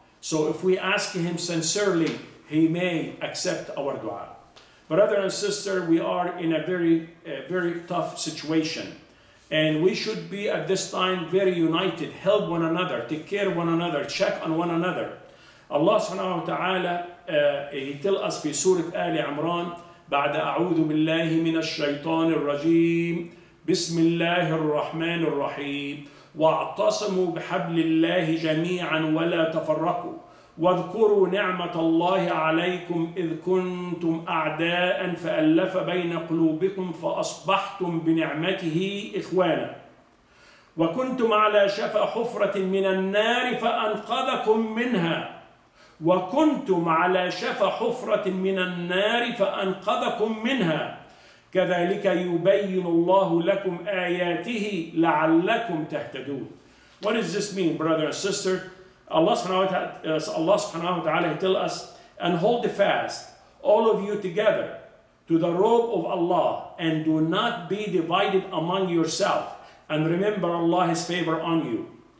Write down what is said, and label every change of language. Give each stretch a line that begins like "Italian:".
English: So if we ask him sincerely, he may accept our dua. Brother and sister, we are in a very tough situation. And we should be at this time very united, help one another, take care of one another, check on one another.
Arabic: Allah subhanahu wa ta'ala,
English: he tell us in Surah Ali Imran,
Arabic: بعد أعوذ بالله من الشيطان الرجيم بسم الله الرحمن الرحيم واعتصموا بحبل الله جميعا ولا تفرقوا واذكروا نعمة الله عليكم إذ كنتم أعداء فألف بين قلوبكم فأصبحتم بنعمته إخوانا وكنتم على شفا حفرة من النار فأنقذكم منها وكنتم على شفا حفرة من النار فأنقذكم منها كذلك يبين الله لكم آياته لعلكم تهتدون.
English: What does this mean, brother and sister? Allah subhanahu wa ta'ala tell us, and hold fast, all of you together, to the rope of Allah, and do not be divided among yourself, and remember Allah's favor on you.